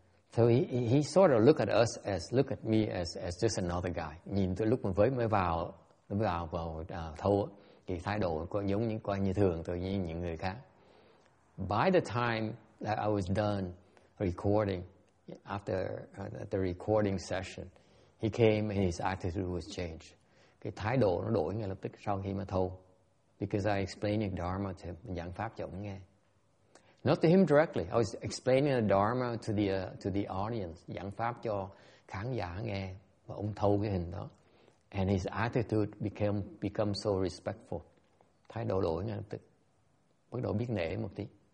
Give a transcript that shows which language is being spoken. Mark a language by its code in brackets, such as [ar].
[en] So he sort of looked at us as look at me as just another guy. [vi] Nhìn tôi lúc mà mới vào thâu thì thái độ có giống như coi như thường tự nhiên những người khác. [en] By the time that I was done recording, after the recording session, he came and his attitude was changed. [vi] Cái thái độ nó đổi ngay lập tức sau khi mà thâu. [en] Because I explained the Dharma to him, [vi] giảng pháp cho ông nghe. [en] Not to him directly. I was explaining the Dharma to the audience, [vi] giảng pháp cho khán giả nghe, và ông thâu cái hình đó. [en] And his attitude became so respectful. [vi] Thái độ đổi ngay lập tức, bắt đầu biết nể một tí.